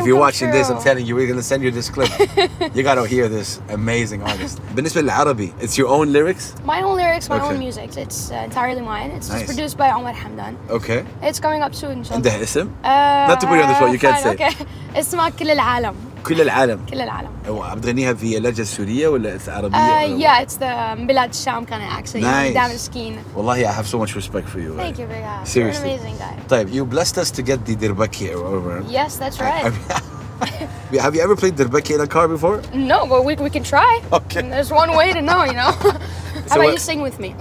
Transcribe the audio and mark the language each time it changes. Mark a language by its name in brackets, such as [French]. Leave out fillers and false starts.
[English] if you're watching this, I'm telling you, we're gonna send you this clip. You gotta hear this amazing artist. [Arabic] بالنسبة للعربي, [English] it's your own lyrics? My own lyrics, my own music. It's entirely mine. It's just produced by Omar Hamdan. Okay. It's coming up soon. And the اسم? Not to put you on the spot, you can't say. Okay. [Arabic] اسمها كل العالم. كل العالم. كل العالم. بتغنيها في اللهجة السورية ولا العربية؟ [English] Yeah, it's the بلاد الشام kind of accent. Nice. Damascene. [Arabic] والله [English] I have so much respect for you. Thank you, big guy. Seriously. You're an amazing guy. [Arabic] طيب, [English] you blessed us to get the Dirbaki over. Yes, that's right. Have you ever played Dirbaki in a car before? No, but we can try. Okay. And there's one way to know, you know. How about you sing with me?